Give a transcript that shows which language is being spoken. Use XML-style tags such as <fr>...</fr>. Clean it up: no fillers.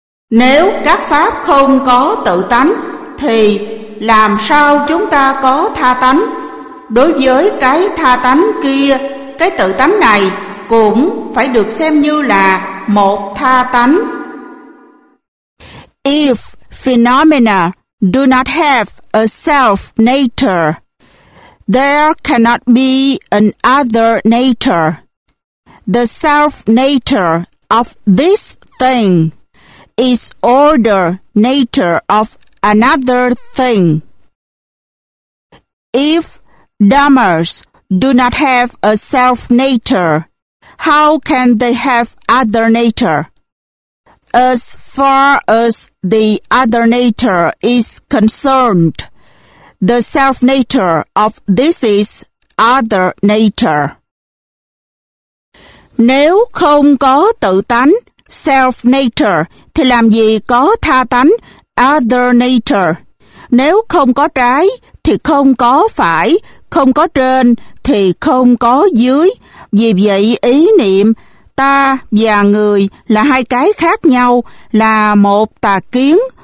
<vi>Nếu các pháp không có tự tánh thì làm sao chúng ta có tha tánh? Đối với cái tha tánh kia, cái tự tánh này cũng phải được xem như là một tha tánh.</vi> <en>If phenomena do not have a self nature, there cannot be an other nature. The self nature of this thing is order nature of another thing. If dhammas do not have a self nature, how can they have other nature? As far as the other nature is concerned, the self nature of this is other nature.</en> <vi>Nếu không có tự tánh,</vi> <en>self nature,</en> <vi>thì làm gì có tha tánh,</vi> <en>other nature?</en> <vi>Nếu không có trái thì không có phải, không có trên thì không có dưới. Vì vậy ý niệm ta và người là hai cái khác nhau, là một tà kiến.</vi>